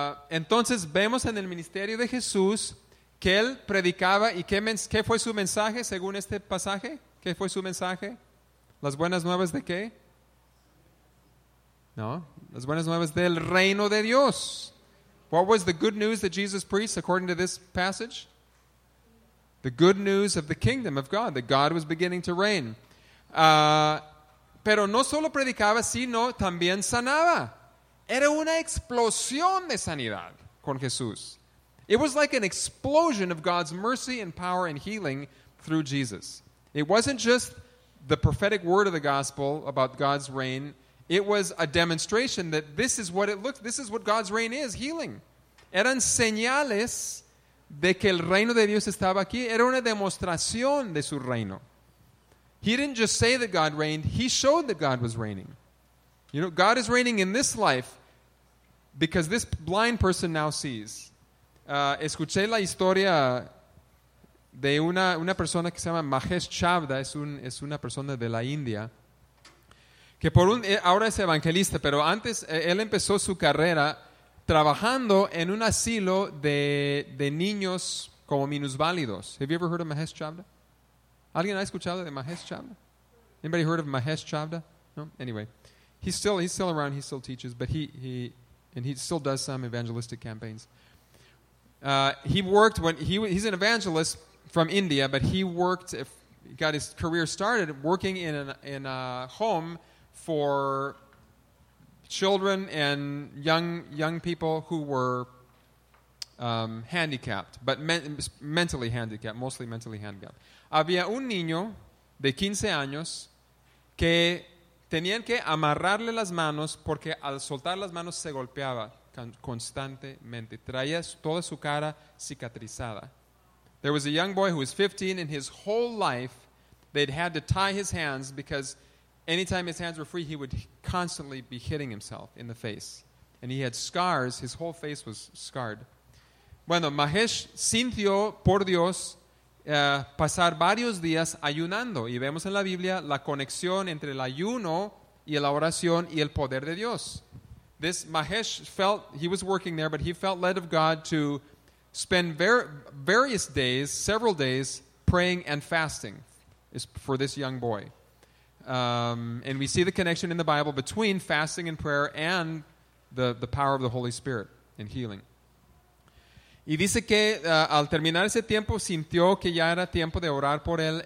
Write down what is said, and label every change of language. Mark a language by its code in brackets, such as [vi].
[es] Entonces vemos en el ministerio de Jesús que él predicaba, y qué fue su mensaje según este pasaje? ¿Qué fue su mensaje? ¿Las buenas nuevas de qué? No, las buenas nuevas del reino de Dios. [en] What was the good news that Jesus preached according to this passage? The good news of the kingdom of God, that God was beginning to reign. [es] Pero no solo predicaba, sino también sanaba. Era una explosión de sanidad con Jesús. [en] It was like an explosion of God's mercy and power and healing through Jesus. It wasn't just the prophetic word of the gospel about God's reign. It was a demonstration that this is what it looks, this is what God's reign is, healing. [es] Eran señales de que el reino de Dios estaba aquí. Era una demostración de su reino. [en] He didn't just say that God reigned. He showed that God was reigning. You know, God is reigning in this life because this blind person now sees. [es] Escuché la historia de una persona que se llama Mahesh Chavda. Es una persona de la India. Que ahora es evangelista, pero antes él empezó su carrera trabajando en un asilo de niños como minusválidos. [en] Have you ever heard of Mahesh Chavda? [es] ¿Alguien ha escuchado de Mahesh Chavda? [en] Anybody heard of Mahesh Chavda? No? Anyway, he's still around, he still teaches, but he still does some evangelistic campaigns. He's an evangelist from India, but he worked, got his career started working in a home for children and young people who were handicapped, but mentally handicapped, mostly mentally handicapped. [es] Había un niño de 15 años que tenían que amarrarle las manos porque al soltar las manos se golpeaba constantemente. Traía toda su cara cicatrizada. [en] There was a young boy who was 15, and his whole life they'd had to tie his hands because anytime his hands were free, he would constantly be hitting himself in the face. And he had scars. His whole face was scarred. [es] Bueno, Mahesh sintió, por Dios, pasar varios días ayunando. Y vemos en la Biblia la conexión entre el ayuno y la oración y el poder de Dios. [en] This Mahesh felt, he was working there, but he felt led of God to spend various days, several days, praying and fasting for this young boy. And we see the connection in the Bible between fasting and prayer and the power of the Holy Spirit in healing. [es] Y dice que al terminar ese tiempo sintió que ya era tiempo de orar por él.